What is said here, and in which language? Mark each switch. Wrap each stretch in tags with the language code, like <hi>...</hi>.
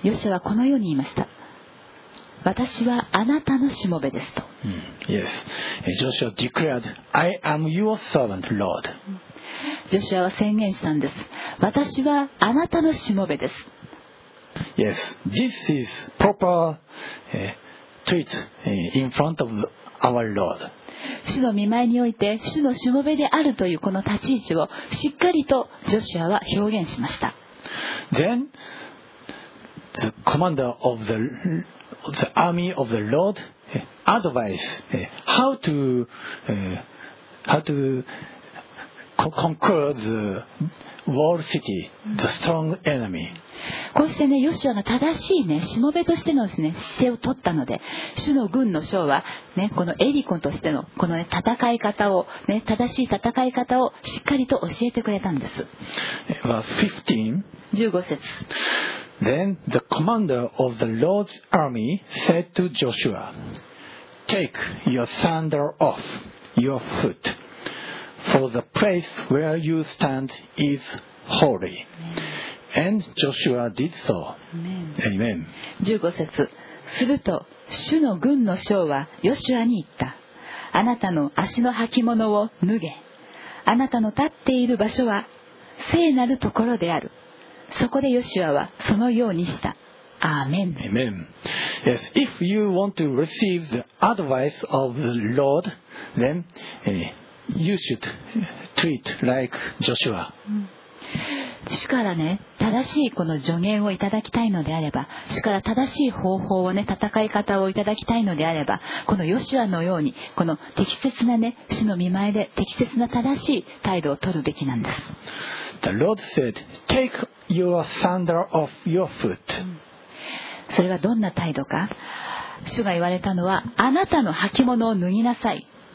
<ja>ヨシュアはこのように言いました。私はあなたのしもべですと。</ja> <en>Yes. Joshua declared, I am your servant, Lord.</en> <ja>ジョシュアは宣言したんです。私はあなたのしもべです。</ja> <en>Yes. This is proper treat in front of our Lord.</en> <ja>主の御前において主のしもべであるというこの立ち位置をしっかりとジョシュアは表現しました。</ja> <en>Then the commander of the army of the Lord advised how to conquer the walled city, the strong enemy.</en> <ja>こうしてね、ヨシュアが正しいね、しもべとしてのですね、姿勢を取ったので、主の軍の将はね、このエリコンとしてのこのね、戦い方をね、正しい戦い方をしっかりと教えてくれたんです。</ja> <en>Verse 15.</en> <ja>15節。</ja> <en>Then the commander of the Lord's army said to Joshua, "Take your sandal off your foot." For the place where you stand is holy. And Joshua did so. Amen.</en> <ja>15節。すると主の軍の将はヨシュアに言った。あなたの足の履物を脱げ。あなたの立っている場所は聖なるところである。そこでヨシュアはそのようにした。</ja> <en>Amen. Amen. Yes, if you want to receive the advice of the Lord, then, You should treat like Joshua.</en> <ja>主からね、正しいこの助言をいただきたいのであれば、主から正しい方法をね、戦い方をいただきたいのであれば、このヨシュアのように、この適切なね、主の御前で適切な正しい態度を取るべきなんです。</ja> <en>The Lord said, "Take your sandal off your foot."</en> <ja>それはどんな態度か。主が言われたのは、あなたの履物を脱ぎなさい。</ja>